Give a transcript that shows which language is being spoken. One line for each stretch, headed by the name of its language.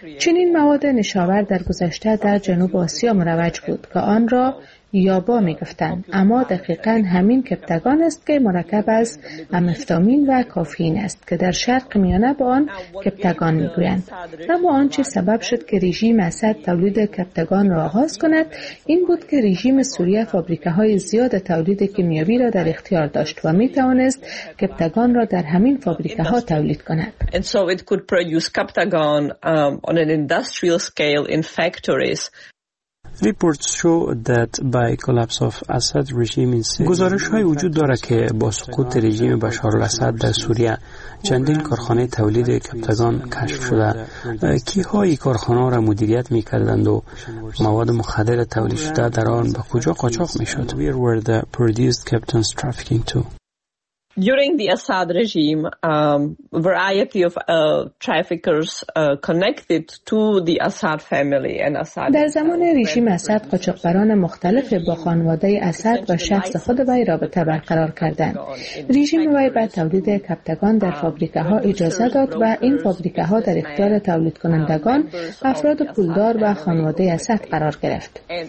Persian: چنین مواد نشاور در گذشته در جنوب آسیا مروج بود که آن را یابا می گفتن، اما دقیقا همین کپتگان است که مرکب از امفتامین و کافئین است که در شرق میانه با آن کپتگان می گویند. اما آنچه سبب شد که رژیم اسد تولید کپتگان را آغاز کند این بود که رژیم سوریه فابریکه های زیاد تولید کیمیاوی را در اختیار داشت و می توانست کپتگان را در همین فابریکه ها تولید کند.
English: And so it could produce کپتگان on an industrial scale in factories. Reports show that by collapse of Assad regime in Syria.
Persian: گزارش های وجود دارد که با سقوط رژیم بشار الاسد در سوریه چندین کارخانه تولید کپتگان کشف شده. کی های کارخانه را مدیریت می کردند و مواد مخدر تولید شده در آن به کجا قاچاق می شد؟
English: Where were the produced captains trafficking to? During the Assad regime, variety of traffickers connected to the Assad family and Assad.
Persian: در زمان رژیم اسد قاچاقبران مختلف با خانواده اسد و شخص خود وی رابطه برقرار کردند. رژیم وی بعد تولید کپتگان در فابریکه ها اجازه داد و این فابریکه ها در اختیار تولید کنندگان افراد پولدار و خانواده اسد قرار گرفت.